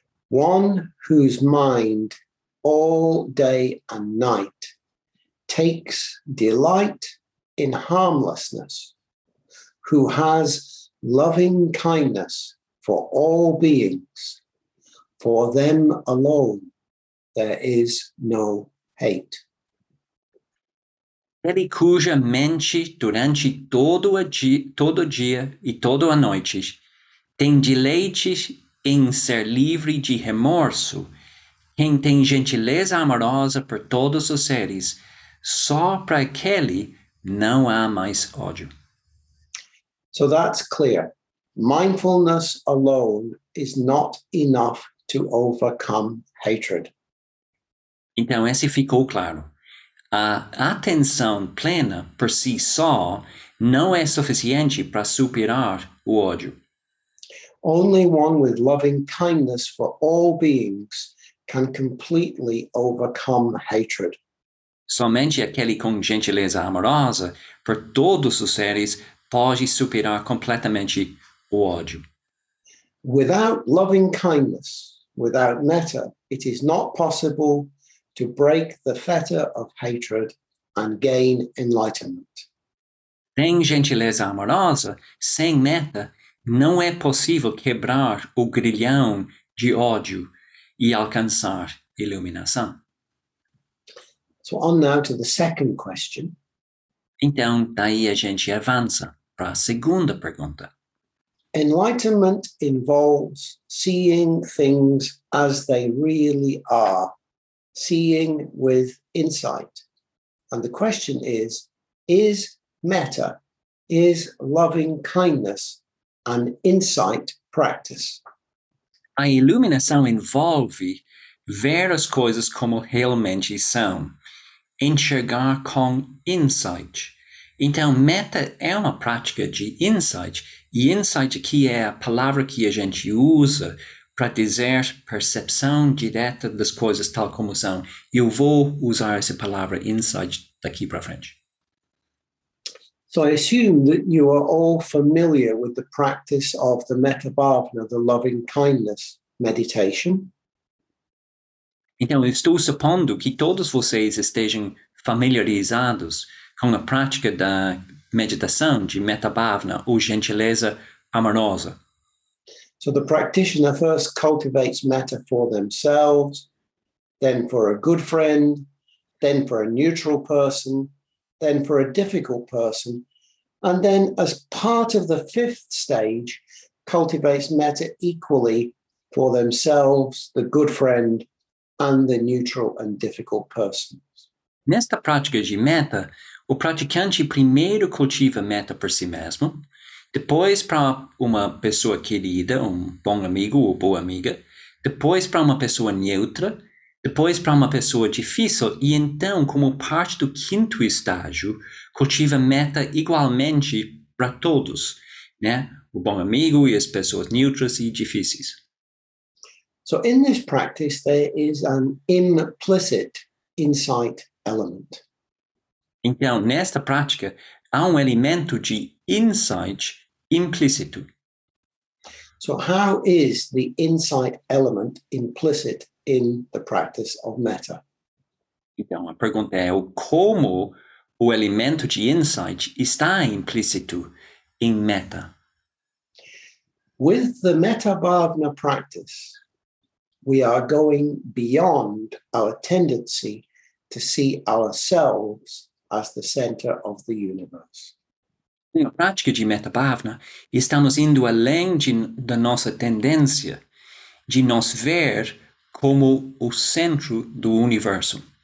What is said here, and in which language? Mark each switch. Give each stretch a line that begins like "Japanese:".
English: One whose mind all day and night takes delight in harmlessness, who has loving kindness for all beings, for them alone there is no hate.
Portuguese: Aquele cuja mente durante todo dia e toda a noite tem deleites em ser livre de remorso, quem tem gentileza amorosa por todos os seres, só para aquele não há mais ódio.
English: So that's clear. Mindfulness alone is not enough to overcome hatred.
Portuguese: Então, esse ficou claro. A atenção plena por si só não é suficiente para superar o ódio.
English: Only one with loving kindness for all beings can completely overcome hatred.
Portuguese: Somente aquele com gentileza amorosa por todos os seres pode superar completamente o ódio.
English: Without loving kindness, without metta, it is not possible to break the fetter of hatred and gain enlightenment.
Portuguese: Sem gentileza amorosa, sem metta, não é possível quebrar o grilhão de ódio e alcançar iluminação.
English: So on now to the second question.
Portuguese: Então, daí a gente avança para a segunda pergunta.
English: Enlightenment involves seeing things as they really are, seeing with insight. And the question is metta, is loving kindness an insight practice?
Portuguese: A iluminação envolve ver as coisas como realmente são. Enxergar com insight. Então, metta é uma prática de insight, e insight aqui é a palavra que a gente usa para dizer percepção direta das coisas tal como são. Eu vou usar essa palavra insight daqui para frente.
English: So I assume that you are all familiar with the practice of the Metta Bhavana, the loving kindness meditation.
Portuguese: Então, eu estou supondo que todos vocês estejam familiarizados com a prática da meditação de Metta Bhavana, ou gentileza amorosa.
English: So the practitioner first cultivates metta for themselves, then for a good friend, then for a neutral person, then for a difficult person, and then as part of the fifth stage, cultivates metta equally for themselves, the good friend, and the neutral and difficult persons.
Portuguese: Nesta prática de metta, o praticante primeiro cultiva metta por si mesmo, depois para uma pessoa querida, um bom amigo ou boa amiga, depois para uma pessoa neutra, depois para uma pessoa difícil, e então, como parte do quinto estágio, cultiva metta igualmente para todos, né? O bom amigo e as pessoas neutras e difíceis.
English: So in this practice, there is an implicit insight element.
Portuguese: Então, nesta prática, há um elemento de insight implícito.
English: So how is the insight element implicit in the practice of metta?
Portuguese: Então, a pergunta é como o elemento de insight está implícito em metta?
English: With the Metta Bhavana practice, we are going beyond our tendency to see ourselves as the center of the universe.
Portuguese: Na prática de Metta Bhavana, estamos indo além da nossa tendência de nos ver como o centro do universo.